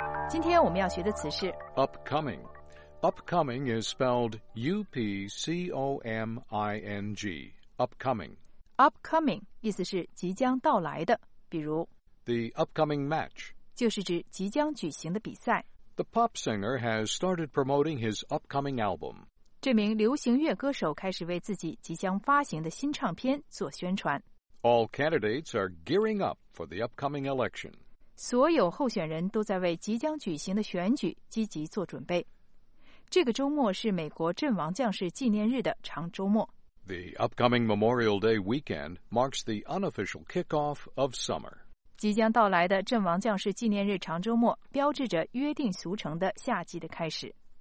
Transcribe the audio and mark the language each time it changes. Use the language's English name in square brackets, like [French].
[English] Today we're going to learn the word upcoming. Upcoming is spelled U-P-C-O-M-I-N-G. Upcoming. [Chinese] Upcoming 意思是即将到来的，比如 [English] The upcoming match [Chinese] 就是指即将举行的比赛。 [English] The pop singer has started promoting his upcoming album. [Chinese] 这名流行乐歌手开始为自己即将发行的新唱片做宣传。 [English] All candidates are gearing up for the upcoming election. [Chinese] 所有候选人都在为即将举行的选举积极做准备。这个周末是美国阵亡将士纪念日的长周末。 [English] The upcoming Memorial Day weekend marks the unofficial kickoff of summer. [Chinese] 即将到来的阵亡将士纪念日长周末标志着约定俗成的夏季的开始。